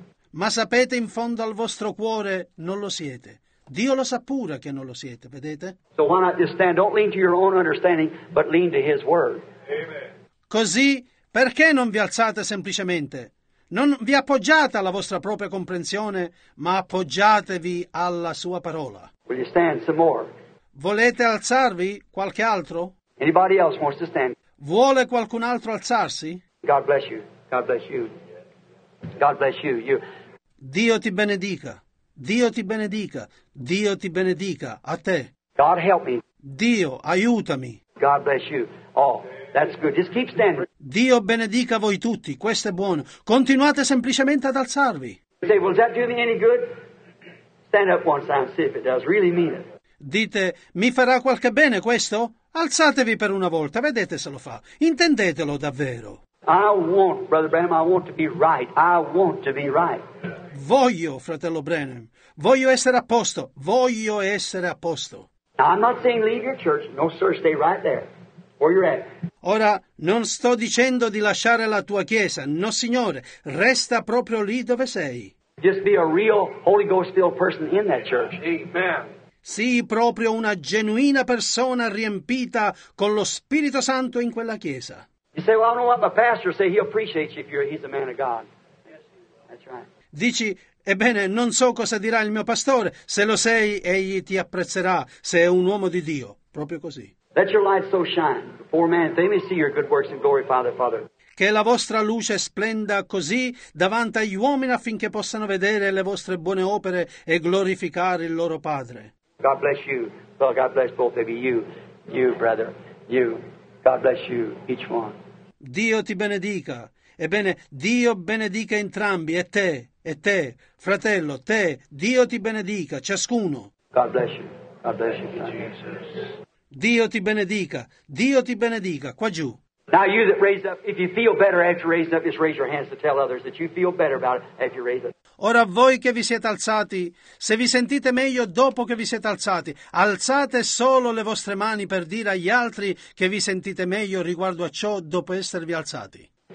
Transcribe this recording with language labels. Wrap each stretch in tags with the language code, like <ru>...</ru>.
<it>Ma sapete in fondo al vostro cuore non lo siete. Dio lo sa pure che non lo siete, vedete?</it> <en>So why not just stand? Don't lean to your own understanding, but lean to His word.</en> <it>Così, perché non vi alzate semplicemente? Non vi appoggiate alla vostra propria comprensione, ma appoggiatevi alla Sua parola.</it> <en>Will you stand some more?</en> <it>Volete alzarvi? Qualche altro?</it> <en>Anybody else wants to stand?</en> <it>Vuole qualcun altro alzarsi?</it> <en>God bless you. God bless you. God bless you. You.</en> <it>Dio ti benedica. Dio ti benedica. Dio ti benedica. A te.</it> <en>God help me.</en> <it>Dio, aiutami.</it> <en>God bless you. Oh, that's good. Just keep standing.</en> <it>Dio benedica voi tutti. Questo è buono. Continuate semplicemente ad alzarvi.</it> <en>Say, will that do me any good? Stand up one time, see if it does. Really mean it.</en> <it>Dite, mi farà qualche bene questo? Alzatevi per una volta, vedete se lo fa. Intendetelo davvero.</it> <en>I want, Brother Branham, I want to be right. I want to be right.</en> <it>Voglio, fratello Branham, voglio essere a posto. Voglio essere a posto.</it> <en>Now, I'm not saying leave your church. No, sir, stay right there. Where you're at.</en> <it>Ora, non sto dicendo di lasciare la tua chiesa. No, signore, resta proprio lì dove sei.</it> <en>Just be a real Holy Ghost-filled person in that church. Amen.</en> <it>Sii proprio una genuina persona riempita con lo Spirito Santo in quella chiesa.</it> <en>You say, well, I don't know what my pastor say. He'll appreciate you if he's a man of God. That's right.</en> <it>Dici, ebbene, non so cosa dirà il mio pastore. Se lo sei, egli ti apprezzerà, se è un uomo di Dio. Proprio così.</it> <en>Let your light so shine before man that they may see your good works and glory, Father.</en> <it>Che la vostra luce splenda così davanti agli uomini affinché possano vedere le vostre buone opere e glorificare il loro Padre.</it> <en>God bless you. Well, God bless both of you. You, brother. You. God bless you, each one.</en> <it>Dio ti benedica. Ebbene, Dio benedica entrambi, e te, fratello, te. Dio ti benedica, ciascuno.</it> <en>God bless you. God bless you, Jesus.</en> <it>Dio ti benedica. Dio ti benedica, qua giù.</it> <en>Now you that raised up, if you feel better after raising up, just raise your hands to tell others that you feel better about it after you raise up.</en> <it>Ora voi che vi siete alzati, se vi sentite meglio dopo che vi siete alzati, alzate solo le vostre mani per dire agli altri che vi sentite meglio riguardo a ciò dopo esservi alzati.</it>